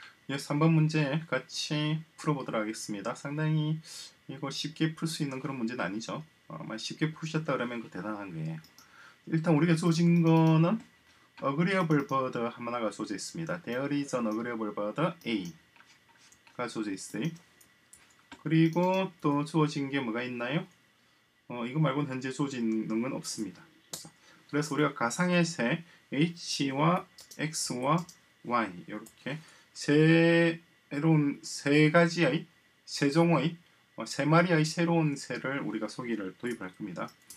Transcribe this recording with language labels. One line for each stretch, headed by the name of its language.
Korean: 예, 3번 문제 같이 풀어보도록 하겠습니다. 상당히 이거 쉽게 풀 수 있는 그런 문제는 아니죠. 만 쉽게 푸셨다 그러면 그 대단한 거예요. 일단 우리가 주어진 거는 agreeable bird 하나가 주어져 있습니다.
English: There is an agreeable bird A가
Korean: 주어져 있어요. 그리고 또 주어진 게 뭐가 있나요? 이거 말고는 현재 주어지는 건 없습니다. 그래서 우리가 가상의 새 H와 X와 Y 이렇게 새로운 세 가지의 세 종의 세 마리의 새로운 새를 우리가 소개를 도입할 겁니다.